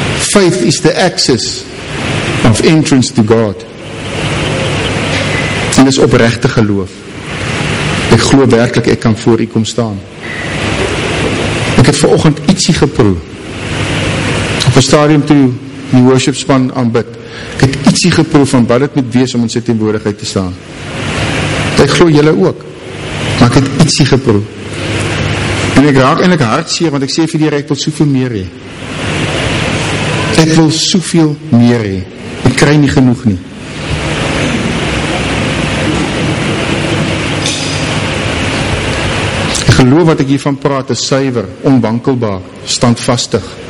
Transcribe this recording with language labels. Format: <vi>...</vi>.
<en>Faith is the access of entrance to God.</en> <af>En is oprechte geloof. Ek glo werkelijk, ek kan voor u kom staan. Ek het vanoggend ietsie geproe. Op een stadium toe die worship span aanbid, ek het ietsie geproef van wat het moet wees om in sy teenwoordigheid te staan. Ek glo julle ook. Maar ek het ietsie geproef. En ek raak eintlik hartseer, want ek sê vir die Here, ek wil soveel meer hê. Ek wil soveel meer hê. Ek kry nie genoeg nie. Die geloof wat ek hiervan praat is suiwer, onwankelbaar, standvastig.</af>